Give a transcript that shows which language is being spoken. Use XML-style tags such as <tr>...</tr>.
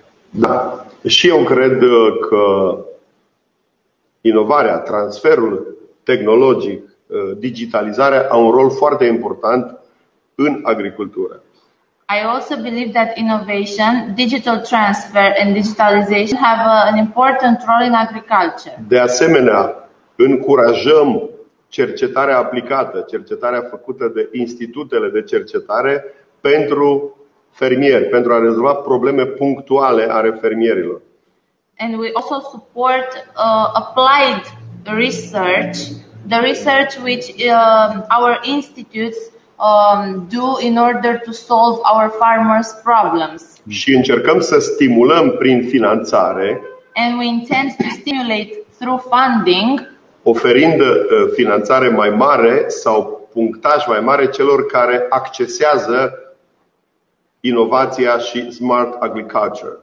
<ro>Da, și eu cred că inovarea, transferul tehnologic, digitalizarea au un rol foarte important în agricultură.</ro> <en>I also believe that innovation, digital transfer and digitalization have an important role in agriculture.</en> <ro>De asemenea, încurajăm cercetarea aplicată, cercetarea făcută de institutele de cercetare pentru fermieri, pentru a rezolva probleme punctuale ale fermierilor.</ro> <en>And we also support applied research, the research which our institutes do in order to solve our farmers' problems.</en> <ro>Și încercăm să stimulăm prin finanțare.</ro> <en>And we intend to stimulate through funding,</en> <ro>oferind finanțare mai mare sau punctaj mai mare celor care accesează inovația și</ro> <en>smart agriculture.</en>